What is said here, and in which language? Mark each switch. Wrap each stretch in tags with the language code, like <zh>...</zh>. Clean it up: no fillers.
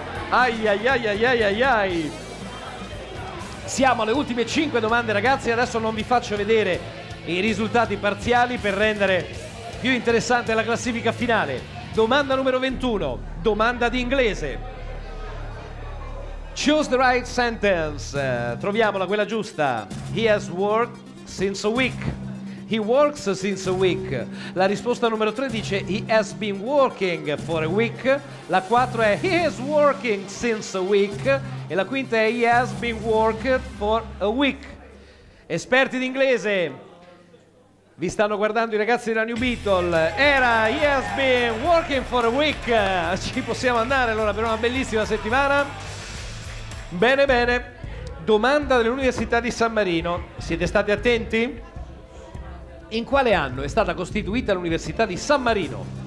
<it>Ai ai ai ai ai ai ai. Siamo alle ultime 5 domande, ragazzi, adesso non vi faccio vedere i risultati parziali per rendere più interessante la classifica finale. Domanda numero 21, domanda di inglese.</it> <en>Choose the right sentence.</en> <it>Troviamola, quella giusta.</it> <en>He has worked since a week. He works since a week.</en> <it>La risposta numero 3 dice</it> <en>he has been working for a week.</en> <it>La 4 è</it> <en>he is working since a week.</en> <it>E la quinta è he has been working for a week. Esperti d'inglese, vi stanno guardando i ragazzi della New Beetle. Era</it> <en>he has been working for a week.</en> <it>Ci possiamo andare allora per una bellissima settimana. Bene bene. Domanda dell'Università di San Marino. Siete stati attenti? In quale anno è stata costituita l'Università di San Marino?</it>